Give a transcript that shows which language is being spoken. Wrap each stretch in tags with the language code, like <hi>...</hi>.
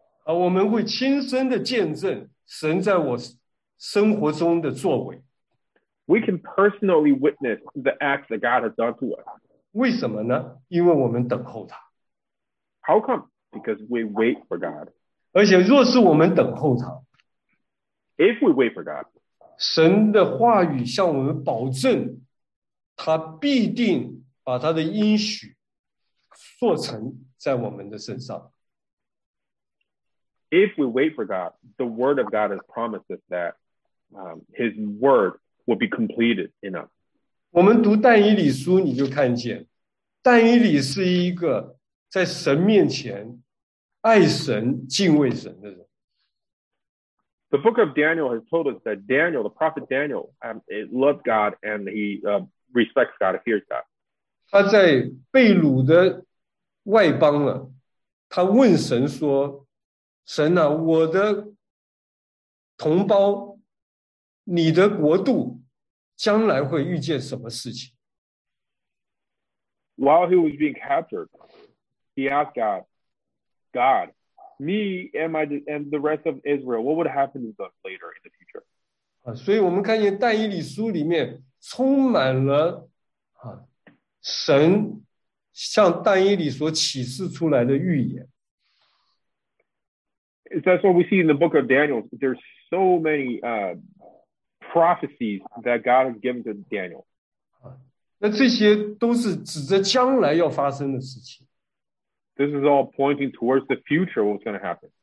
<zh>我们会亲身的见证神在我生活中的作为。</zh> <en>We can personally witness the acts that God has done to us.</en> <zh>为什么呢？因为我们等候他。</zh> <en>How come? Because we wait for God.</en> <zh>而且若是我们等候他</zh> <en>If we wait for God,</en> <zh>神的话语向我们保证他必定把他的应许做成在我们的身上。</zh> <en>If we wait for God, the word of God has promised us that his word will be completed in us.</en> <zh>我们读但以理书你就看见但以理是一个在神面前爱神敬畏神的人。</zh> <en>The book of Daniel has told us that Daniel, the prophet Daniel, loved God and he respects God, fears God.</en> <zh>他在被掳的外邦了，他问神说：“神啊，我的同胞，你的国度将来会遇见什么事情？”</zh> <en>While he was being captured, he asked God. God, me and the rest of Israel, what would happen to them later in the future?</en> <zh>所以我们看见但以理书里面充满了神向但以理所启示出来的预言。</zh> <en>That's what we see in the book of Daniel. There's so many prophecies that God has given to Daniel.</en> <zh>那这些都是指着将来要发生的事情。</zh> <en>This is all pointing towards the future, what's going to happen.</en>